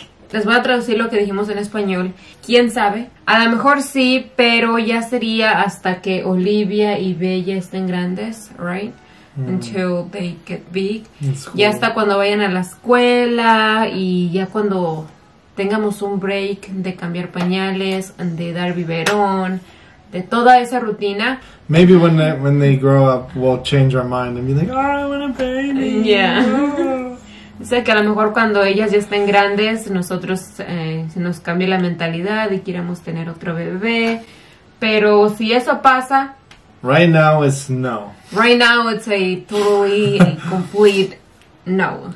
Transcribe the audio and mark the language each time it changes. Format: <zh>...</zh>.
<es>Les voy a traducir lo que dijimos en español. ¿Quién sabe? A lo mejor sí, pero ya sería hasta que Olivia y Bella estén grandes,</es> <en>right? Mm. Until they get big. Cool.</en> <es>Ya hasta cuando vayan a la escuela y ya cuando tengamos un break de cambiar pañales, de dar biberón, de toda esa rutina.</es> <en>Maybe when they grow up, we'll change our mind and be like, oh, I want a baby. Yeah.</en> <es>Sé que a lo mejor cuando ellas ya estén grandes, nosotros se nos cambie la mentalidad y queremos tener otro bebé. Pero si eso pasa...</es> <en>Right now it's no. Right now it's a totally a complete no.</en>